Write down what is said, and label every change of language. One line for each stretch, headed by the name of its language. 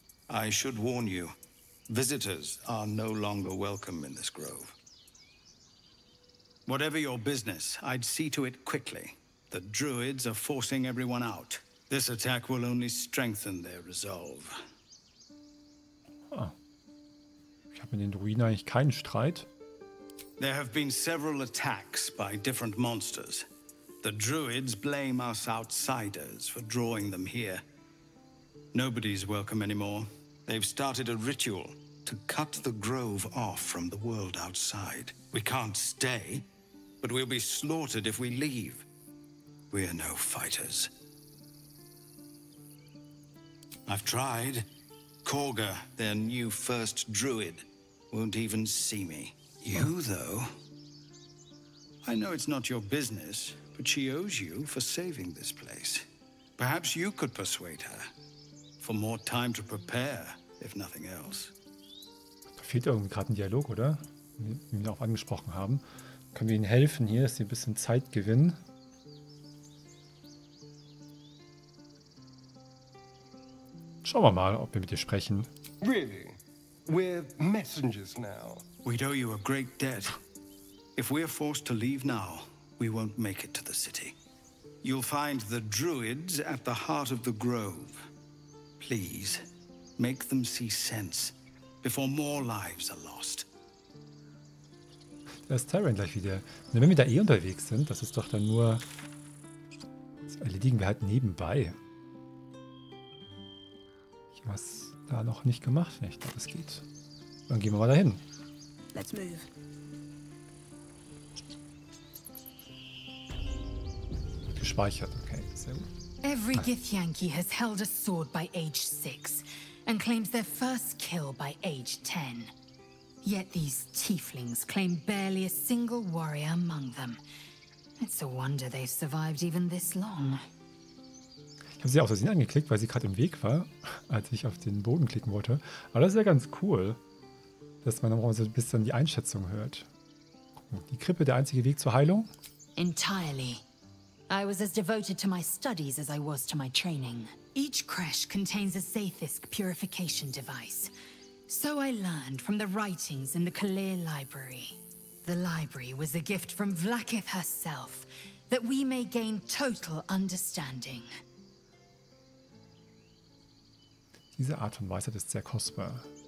English: I should warn you, visitors are no longer welcome in this grove. Whatever your business, I'd see to it quickly. The druids are forcing everyone out. This attack will only strengthen their resolve.
German: Ich habe mit den Druiden eigentlich keinen Streit.
English: There have been several attacks by different monsters. The druids blame us outsiders for drawing them here. Nobody's welcome anymore. They've started a ritual to cut the grove off from the world outside. We can't stay, but we'll be slaughtered if we leave. We're no fighters. I've tried. Korga, their new first druid, won't even see me. You, though? I know it's not your business, but she owes you for saving this place. Perhaps you could persuade her. For more time to prepare, if nothing else.
German: Da fehlt irgendwie gerade ein Dialog, oder? Wie wir ihn auch angesprochen haben. Können wir ihnen helfen hier, dass sie ein bisschen Zeit gewinnen? Schauen wir mal, ob wir mit dir sprechen.
English: Really? We're messengers now. We owe you a great debt. If we're forced to leave now, we won't make it to the city. You'll find the druids at the heart of the grove. Please, make them see sense before more lives are lost.
German: Da ist Tyrion gleich wieder. Und wenn wir da eh unterwegs sind, das ist doch dann nur... Das erledigen wir halt nebenbei. Ich hab's da noch nicht gemacht, wenn ich glaube, es geht. Dann gehen wir mal dahin.
English: Let's move.
German: Gespeichert, okay, sehr gut.
English: Every Githyanki has held a sword by age 6 and claims their first kill by age 10. Yet these tieflings claim barely a single warrior among them. It's a wonder they've survived even this long.
German: Ich habe sie aus Versehen angeklickt, weil sie gerade im Weg war, als ich auf den Boden klicken wollte. Aber das ist ja ganz cool, dass man auch so ein bisschen die Einschätzung hört. Die Krippe, der einzige Weg zur Heilung?
English: Entirely. I was as devoted to my studies as I was to my training. Each creche contains a Zathisk purification device. So I learned from the writings in the Kalir Library. The library was a gift from Vlakith herself, that we may gain total understanding.
German: Diese Art von Weisheit ist sehr kostbar.